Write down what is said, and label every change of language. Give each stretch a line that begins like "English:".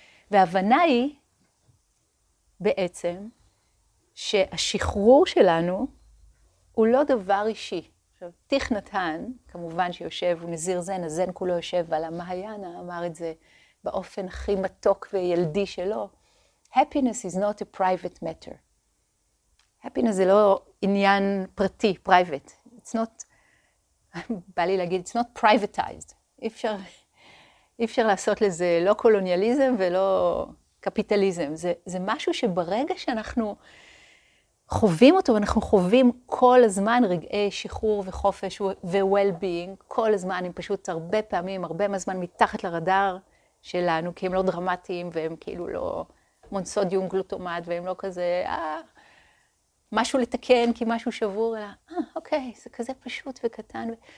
Hebrew: וההבנה היא בעצם שהשחרור שלנו הוא לא דבר אישי. עכשיו, תיך נתן, כמובן שיושב, הוא נזיר זן, הזן כולו יושב על המהיאנה, אמר את זה באופן הכי מתוק וילדי שלו.
English: Happiness is not a private matter.
Hebrew: Happiness זה לא עניין פרטי, private.
English: It's not,
Hebrew: בא לי להגיד,
English: it's not privatized.
Hebrew: אי אפשר לעשות לזה לא קולוניאליזם ולא קפיטליזם. זה משהו שברגע שאנחנו חווים אותו, אנחנו חווים כל הזמן רגעי שחרור וחופש ו-well-being, כל הזמן, הם פשוט הרבה פעמים, הרבה מהזמן מתחת לרדאר שלנו, כי הם לא דרמטיים והם כאילו לא מונסודיום גלוטומט והם לא כזה, משהו לתקן כי משהו שבור, אלא, אוקיי, זה כזה פשוט וקטן.